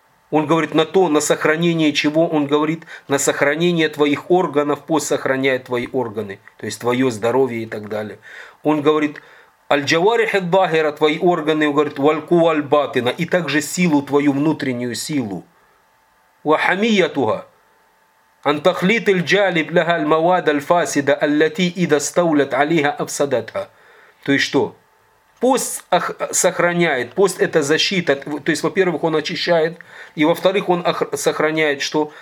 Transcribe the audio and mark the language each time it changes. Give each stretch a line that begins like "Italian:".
Russian: Он говорит, на то, на сохранение чего? Он говорит, на сохранение твоих органов, пост сохраняет твои органы, то есть твое здоровье и так далее. Он говорит,
Arabic: аль-джавариха аддахира,
Russian: твои органы, говорит,
Arabic: вальку аль-батина,
Russian: и также силу, твою внутреннюю силу.
Arabic: Вахамиятуга. عن تخليط الجالب لها المواد الفاسدة التي إذا استولت عليها أفسدتها.
Russian: То есть что? Пост сохраняет, пост — это защита. То есть, во-первых, он очищает, и во-вторых, он сохраняет что?